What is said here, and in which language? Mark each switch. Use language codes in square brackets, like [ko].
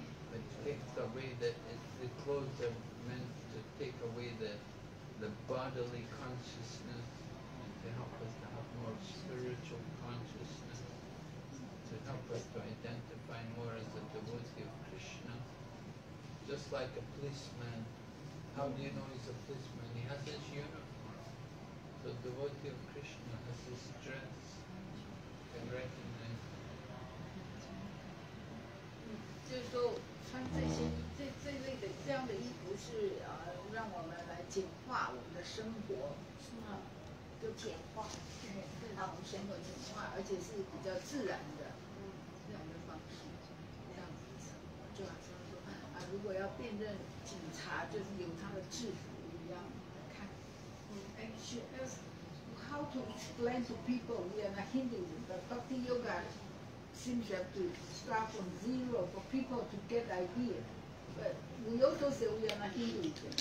[en] It takes away the clothes are meant to take away the bodily consciousness, and to help us to have more spiritual consciousness, to help us to identify more as a devotee of Krishna, just like a policeman. How do you know he's a policeman? He has his uniform. So the devotee of Krishna has his dress. You can recognize him. [zh] 就是说穿这些这类的这样的衣服是让我们来简化我们的生活。是吗？就简化。对。把我们生活简化，而且是比较自然的。这样的方式。这样子。就好像说如果要辨认警察就是有他的制服一样来看。 [en] And she asked how to explain to people we are not Hindus, but Bhakti Yoga seems to have to start from zero for people to get idea. But we also say we are not Hindus.